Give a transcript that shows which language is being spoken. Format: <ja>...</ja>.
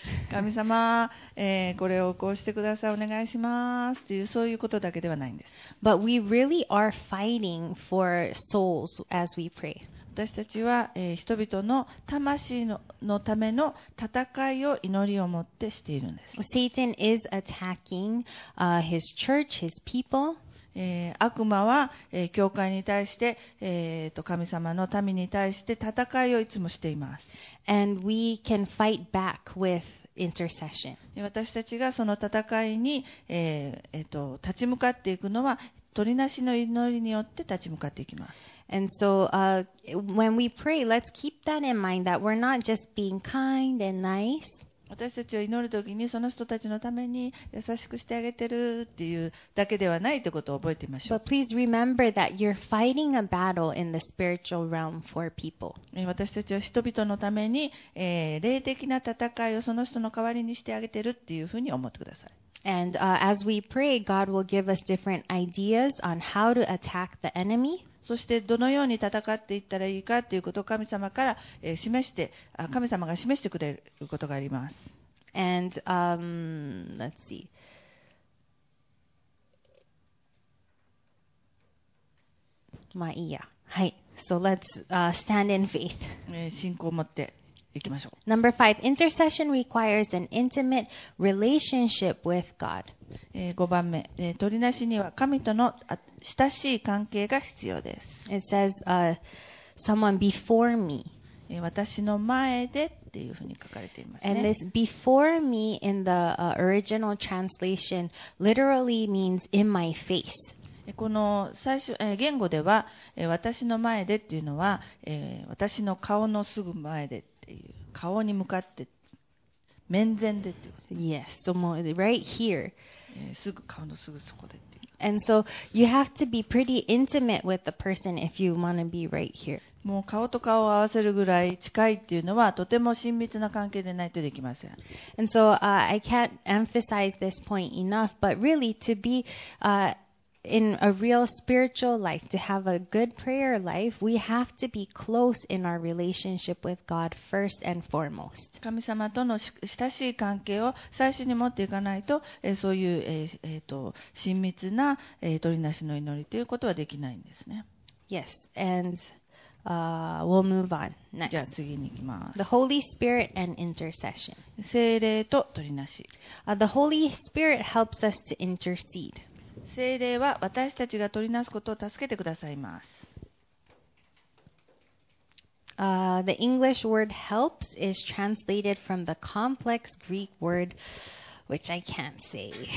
<ja>神様、これをこうしてください、お願いしますっていう、そういうことだけではないんです。</ja> <en>But we really are fighting for souls as we pray.</en> <ja>私たちは、人々の魂 のための戦いを祈りを持ってしているんです。</ja> <en>Satan is attacking, his church, his people.</en> <ja>悪魔は、教会に対して、神様の民に対して戦いをいつもしています。</ja> <en>And we can fight back with intercession.</en> <ja>私たちがその戦いに、立ち向かっていくのは、取りなしの祈りによって立ち向かっていきます。</ja> <en>And so, when we pray, let's keep that in mind that we're not just being kind and nice.</en> <ja>私たちを祈るときにその人たちのために優しくしてあげてるっていうだけではないということを覚えてみましょう。</ja> <en>But please remember that you're fighting a battle in the spiritual realm for people.</en> <ja>私たちは人々のために、霊的な戦いをその人の代わりにしてあげてるっていうふうに思ってください。</ja> <en>And, as we pray, God will give us different ideas on how to attack the enemy.</en> <ja>そしてどのように戦っていったらいいかということを神様から示して、神様が示してくれることがあります。</ja> <en>And, let's see.</en> <ja>まあいいや。はい。</ja> <en>So let's, stand in faith.</en> <ja>信仰を持っていきましょう。</ja> <en>Number five, intercession requires an intimate relationship with God.</en> <ja>5番目、取りなしには神との親しい関係が必要です。</ja> <en>It says, someone before me.</en> <ja>私の前でっっていうふうに書かれていますね。</ja> <en>And this before me in the original translation literally means in my face。</en> <ja>この最初、言語では、私の前でっていうのは、私の顔のすぐ前でっていう、顔に向かって面前でっていうこと。</ja> <en>Yes, so more right here。</en> <ja>すぐ顔のすぐそこでっていう。</ja> <en>And so you have to be pretty intimate with the person if you want to be right here。</en> <ja>もう顔と顔を合わせるぐらい近いっていうのはとても親密な関係でないとできません。</ja> <en>And so I can't emphasize this point enough, but really to be in a real spiritual life, to have a good prayer life, we have to be close in our relationship with God first and foremost.</en> <ja>神様との親しい関係を最初に持っていかないと、そういう、親密な、取りなしの祈りということはできないんですね。</ja> <en>Yes, and we'll move on next.</en> <ja>じゃあ次に行きます。</ja> <en>The Holy Spirit and intercession.</en> <ja>聖霊と取りなし。</ja> <en>The Holy Spirit helps us to intercede.</en> <ja>聖霊は私たちが取りなすことを助けてくださいます。</ja> <en>The English word helps is translated from the complex Greek word, which I can't say.</en>